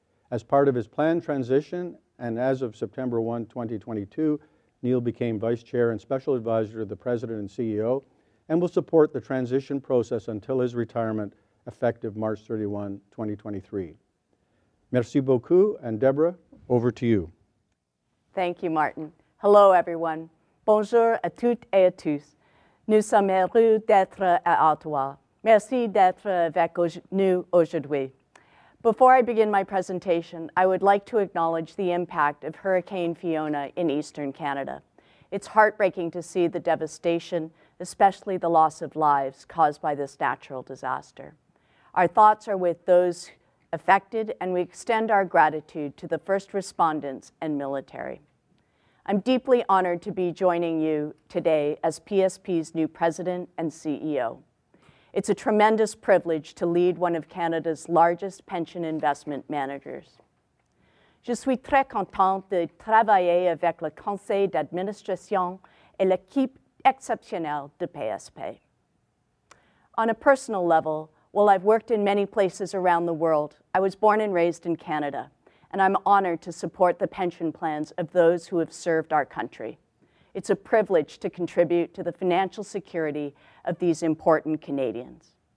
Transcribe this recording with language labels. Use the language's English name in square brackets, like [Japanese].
[English] As part of his planned transition, and as of September 1, 2022, Neil became Vice Chair and Special Advisor to the President and CEO, and will support the transition process until his retirement, effective March 31, 2023. [French] Merci beaucoup, [English] and Deborah, over to you. Thank you, Martin. Hello, everyone. [French] Bonjour à toutes et à tous. Nous sommes heureux d'être à Ottawa. Merci d'être avec nous aujourd'hui. [English] Before I begin my presentation, I would like to acknowledge the impact of Hurricane Fiona in eastern Canada. It's heartbreaking to see the devastation, especially the loss of lives caused by this natural disaster. Our thoughts are with those affected, and we extend our gratitude to the first respondents and military. I'm deeply honored to be joining you today as PSP's new president and CEO. It's a tremendous privilege to lead one of Canada's largest pension investment managers. [French] Je suis très contente de travailler avec le conseil d'administration et l'équipe exceptionnelle de PSP. [English] On a personal level, while I've worked in many places around the world, I was born and raised in Canada, and I'm honored to support the pension plans of those who have served our country. It's a privilege to contribute to the financial security of these important Canadians.